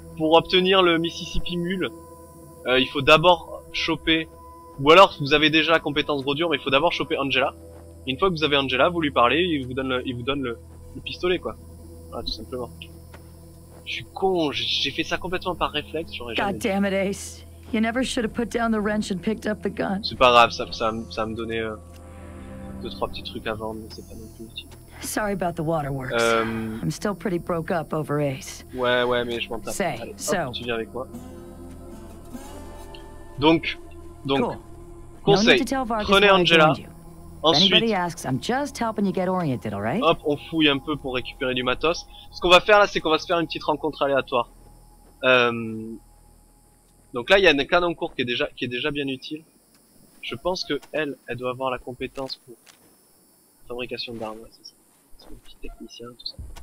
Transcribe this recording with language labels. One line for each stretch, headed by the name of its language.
French: Pour obtenir le Mississippi Mule, il faut d'abord choper... Ou alors, vous avez déjà la compétence gros dur, mais il faut d'abord choper Angela. Et une fois que vous avez Angela, vous lui parlez, il vous donne le pistolet, quoi. Voilà, tout simplement. Je suis con, j'ai fait ça complètement par réflexe, j'aurais jamais...
English: God damn it, Ace. You never should have put down the wrench and picked up the gun.
French: C'est pas grave, ça me donnait... 2-3 petits trucs à vendre, mais c'est pas non plus utile.
English: Sorry about the waterworks. I'm still pretty broke up over Ace.
French: Ouais, mais je m'en tape. Say, allez, hop, so. Tu viens avec moi. Donc, cool. Conseil. Prenez Angela.
English: Ensuite, asks, I'm just helping you get oriented, all right?
French: Hop, on fouille un peu pour récupérer du matos. Ce qu'on va faire là, c'est qu'on va se faire une petite rencontre aléatoire. Donc là, il y a une canon court qui est déjà bien utile. Je pense que elle doit avoir la compétence pour fabrication d'armes, ouais, c'est ça. C'est mon petit technicien, tout ça.